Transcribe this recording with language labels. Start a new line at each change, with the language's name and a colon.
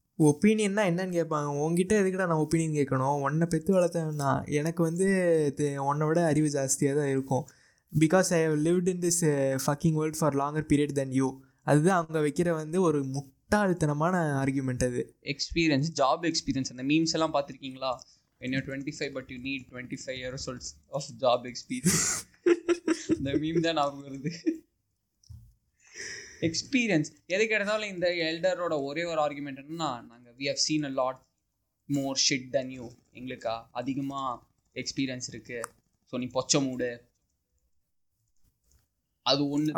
Tamil: ஒப்பீனியன்னா என்னன்னு கேட்பாங்க, உங்ககிட்ட எதுக்கிட்ட நான் ஒப்பீனியன் கேட்கணும், உன்னை பெற்று வளர்த்தேன்னா எனக்கு வந்து உன்னை விட அறிவு ஜாஸ்தியாக தான் இருக்கும்,
English: Because I have lived in this fucking world for longer period than you.
Tamil: அதுதான் அவங்க வைக்கிற வந்து ஒரு முட்டாள்தனமான ஆர்கியூமெண்ட் அது. எக்ஸ்பீரியன்ஸ், ஜாப் எக்ஸ்பீரியன்ஸ், அந்த மீம்ஸ் எல்லாம் பார்த்துருக்கீங்களா?
English: When you're 25 but you need 25 years of job experience. The meme
Tamil: தான் நான் வருது. எக்ஸ்பீரியன்ஸ் எது கிடைத்தாலும் இந்த எல்டரோட ஒரே ஒரு ஆர்குமெண்ட் என்னன்னா, நாங்கள்
English: we have seen a lot more shit than you,
Tamil: எங்களுக்கு அதிகமாக எக்ஸ்பீரியன்ஸ் இருக்கு, ஸோ நீ பொச்ச மூடு. அது ஒன்று